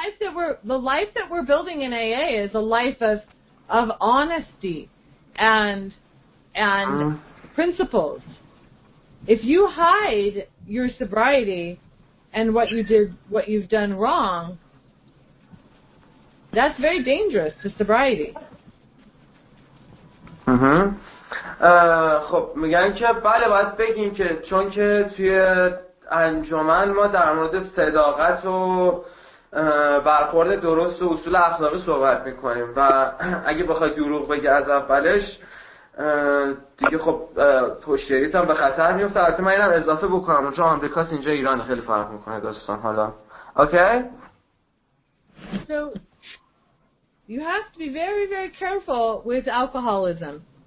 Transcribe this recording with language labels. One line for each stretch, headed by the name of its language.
English: The life that we're building in AA is a life of honesty and principles. If you hide your sobriety and what you've done wrong, that's very dangerous to sobriety. Mm-hmm.
Persian: خب میگن که بله، باید بگیم که چون که توی انجمن ما در مورد صداقت و برخورد درست و اصول اخلاقی صحبت میکنیم و اگه بخوای دروغ بگی از اولش دیگه خب پشتیریت هم به خطر میفته. البته من اینم اضافه بکنم، چون آمریکاست، اینجا ایران خیلی فرق میکنه داستان. حالا اوکی،
English: so you have to be very very careful with alcoholism.